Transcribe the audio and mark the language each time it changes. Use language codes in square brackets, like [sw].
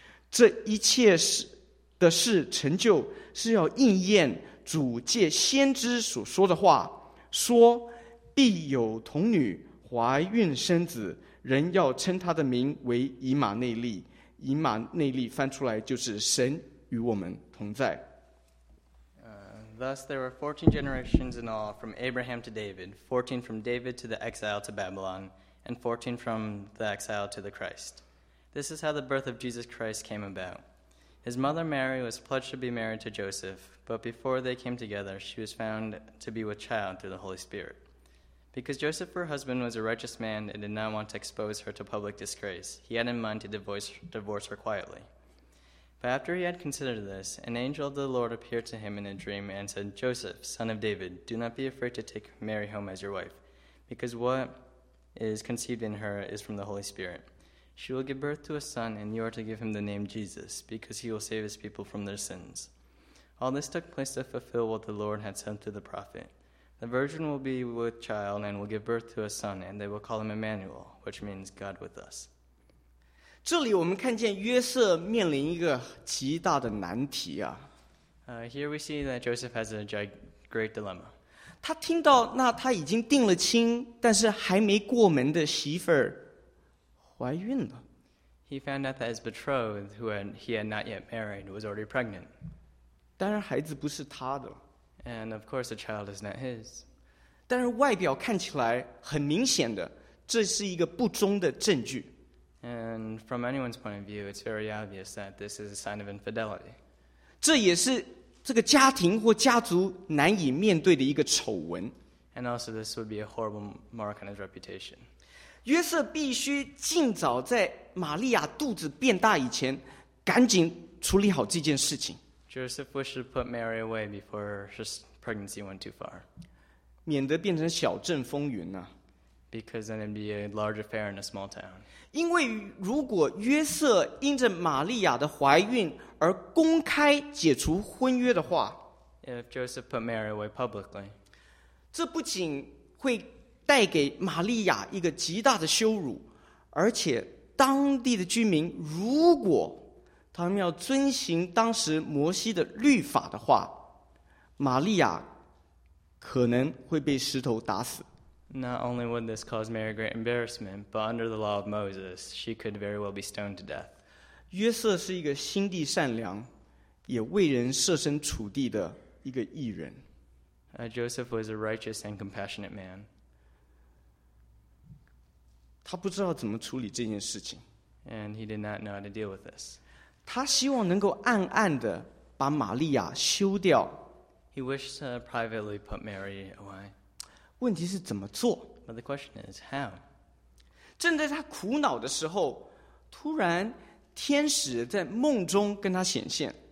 [zh] 这一切的事成就，是要应验主借先知所说的话，说必有童女怀孕生子，人要称他的名为以马内利。以马内利翻出来就是神与我们同在。 [en] Thus there were 14 generations in all from Abraham to David, 14 from David to the exile to Babylon, and 14 from the exile to the Christ. This is how the birth of Jesus Christ came about. His mother Mary was pledged to be married to Joseph, but before they came together, she was found to be with child through the Holy Spirit. Because Joseph, her husband, was a righteous man and did not want to expose her to public disgrace, he had in mind to divorce her quietly. But after he had considered this, an angel of the Lord appeared to him in a dream and said, Joseph, son of David, do not be afraid to take Mary home as your wife, because what is conceived in her is from the Holy Spirit. She will give birth to a son, and you are to give him the name Jesus, because he will save his people from their sins. All this took place to fulfill what the Lord had said through the prophet. The virgin will be with child and will give birth to a son, and they will call him Emmanuel, which means God with us. [zh] 这里我们看见约瑟面临一个极大的难题啊。 [en] Here we see that Joseph has a great dilemma. [zh] 他听到那他已经定了亲，但是还没过门的媳妇儿怀孕了。 [en] He found out that his betrothed, who he had not yet married, was already pregnant. [zh] 当然孩子不是他的。 [en] And of course the child is not his. [zh] 但是外表看起来很明显的，这是一个不忠的证据。 [en] And from anyone's point of view, it's very obvious that this is a sign of infidelity. [zh] 这也是这个家庭或家族难以面对的一个丑闻。 [en] And also this would be a horrible mark on his reputation. [zh] 约瑟必须尽早在玛利亚肚子变大以前赶紧处理好这件事情。 [en] Joseph wished to put Mary away before her pregnancy went too far. [zh] 免得变成小镇风云啊。 [en] Because then it'd be a large affair in a small town. [zh] 因为如果约瑟因着玛利亚的怀孕而公开解除婚约的话， [en] If Joseph put Mary away publicly, [zh] 这不仅会带给玛利亚一个极大的羞辱，而且当地的居民如果他们要遵行当时摩西的律法的话，玛利亚可能会被石头打死。 [en] Not only would this cause Mary great embarrassment, but under the law of Moses, she could very well be stoned to death. [zh] 约瑟是一个心地善良，也为人设身处地的一个义人。 [en] Joseph was a righteous and compassionate man. [zh] 他不知道怎么处理这件事情。 [en] And he did not know how to deal with this. [zh] 他希望能够暗暗地把玛利亚休掉。 [en] He wished to privately put Mary away. [zh] 问题是怎么做？ [en] But the question is how? [zh] 正在他苦恼的时候，突然天使在梦中跟他显现。